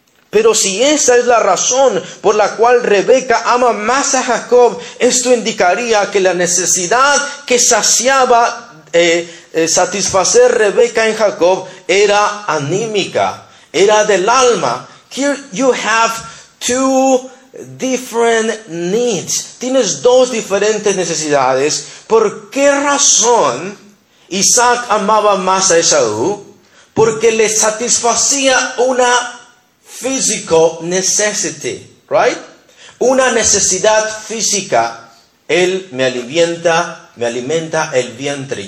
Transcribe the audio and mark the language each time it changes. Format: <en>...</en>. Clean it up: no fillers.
<es>Pero si esa es la razón por la cual Rebeca ama más a Jacob, esto indicaría que la necesidad que saciaba satisfacer Rebeca en Jacob era anímica, era del alma.</es> <en>Here you have two different needs.</en> <es>Tienes dos diferentes necesidades. ¿Por qué razón Isaac amaba más a Esaú? Porque le satisfacía una</es> <en>physical necessity, right?</en> <es>Una necesidad física. Él me alimenta el vientre.</es>